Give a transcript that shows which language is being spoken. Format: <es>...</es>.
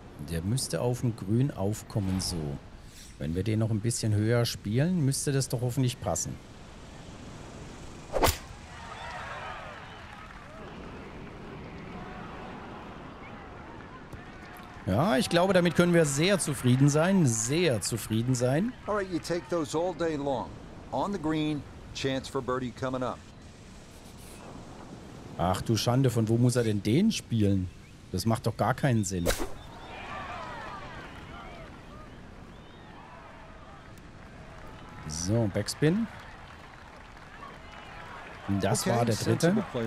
<de>Der müsste auf dem Grün aufkommen, so. Wenn wir den noch ein bisschen höher spielen, müsste das doch hoffentlich passen. Ja, ich glaube, damit können wir sehr zufrieden sein. Sehr zufrieden sein.</de> <en>Alright, you take those all day long. On the green, chance for birdie coming up.</en> <de>Ach du Schande, von wo muss er denn den spielen? Das macht doch gar keinen Sinn. So, Backspin. Das war der dritte.</de>